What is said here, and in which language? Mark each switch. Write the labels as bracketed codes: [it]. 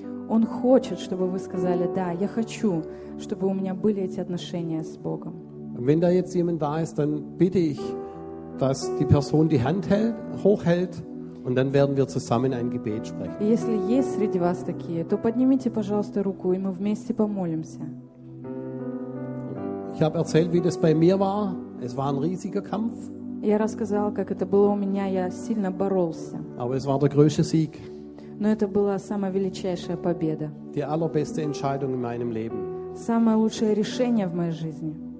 [ru] Он хочет, чтобы вы сказали, да, я хочу, чтобы у меня были эти отношения с Богом. [de] Wenn da jetzt jemand da ist, dann bitte ich, dass die Person die Hand hochhält und dann werden wir zusammen ein Gebet sprechen. [ru] Если есть среди вас такие, то поднимите, пожалуйста, руку, и мы вместе помолимся. [de] Ich habe erzählt, wie das bei mir war. Es war ein riesiger Kampf. [ru] Я рассказала, как это было у меня, я сильно боролся. [de] Aber es war der größte Sieg. [ru] Но это была самая величайшая победа. [de] Die allerbeste Entscheidung in meinem Leben. [ru] Самое лучшее решение в моей жизни.